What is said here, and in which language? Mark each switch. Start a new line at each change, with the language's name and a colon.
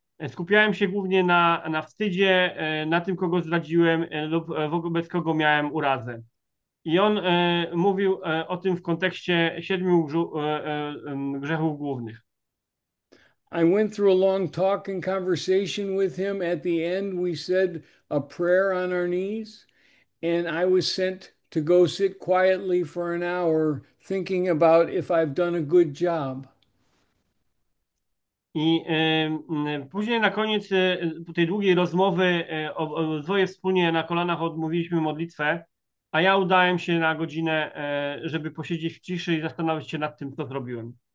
Polish: Skupiałem się głównie na wstydzie, na tym, kogo zdradziłem lub wobec kogo miałem urazę. I on mówił o tym w kontekście siedmiu grzechów głównych.
English: I went through a long talk and conversation with him. At the end, we said a prayer on our knees, and I was sent to go sit quietly for an hour thinking about if I've done a good job.
Polish: I później na koniec tej długiej rozmowy dwoje wspólnie na kolanach odmówiliśmy modlitwę, a ja udałem się na godzinę, żeby posiedzieć w ciszy i zastanowić się nad tym, co zrobiłem.